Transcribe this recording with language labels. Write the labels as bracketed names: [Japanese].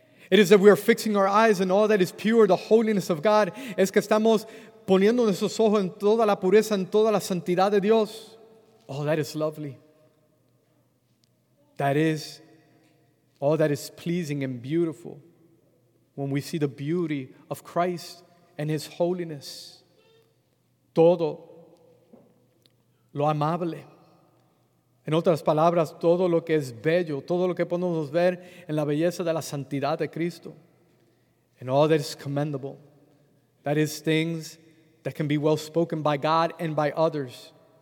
[English] It is that we are fixing our eyes on all that is pure, the holiness of God. [Spanish] Es que estamos poniendo nuestros ojos en toda la pureza, en toda la santidad de Dios. [English] All that is lovely. That is all that is pleasing and beautiful when we see the beauty of Christ and His holiness. [Spanish] Todo lo amable. En otras palabras, todo lo que es bello, todo lo que podemos ver en la belleza de la santidad de Cristo. [English] And all that is commendable. That is things that can be well spoken by God and by others.